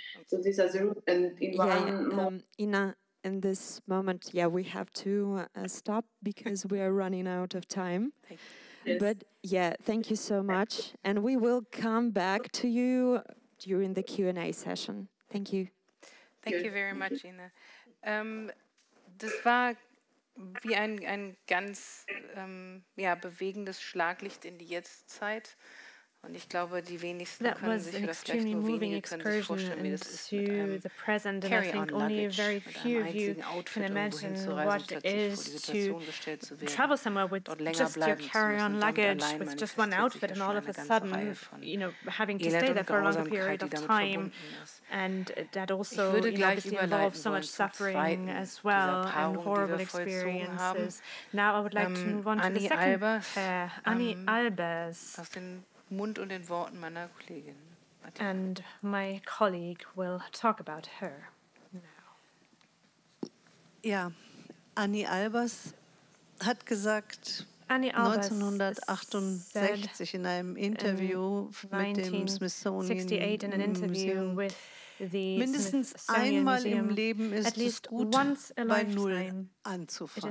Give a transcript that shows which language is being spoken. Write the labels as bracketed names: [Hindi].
[English] Okay. So this is a route. And in in this moment, yeah, we have to stop because we are running out of time. Thank you. Yes. But yeah, thank you so much. And we will come back to you during the Q&A session. Thank you. Thank you very much, Ina. [German] Das war wie ein ganz bewegendes Schlaglicht in die Jetztzeit. [English] That was an extremely moving excursion into the present, and I think only very few of you can imagine what it is to travel somewhere with just your carry-on luggage, with just one outfit, and all of a sudden, you know, having to stay there for a longer period of time, and that also, you know, obviously involves so much suffering as well, and horrible experiences. Now I would like to move on to the second pair, Anni Albers. [German] Mund und den Worten meiner Kollegin. [English] And my colleague will talk about her now. [German] Ja, Anni Albers hat gesagt, Anni Albers 1968 in einem Interview mit dem Smithsonian Museum, mindestens einmal im Leben ist es gut, bei Null anzufangen.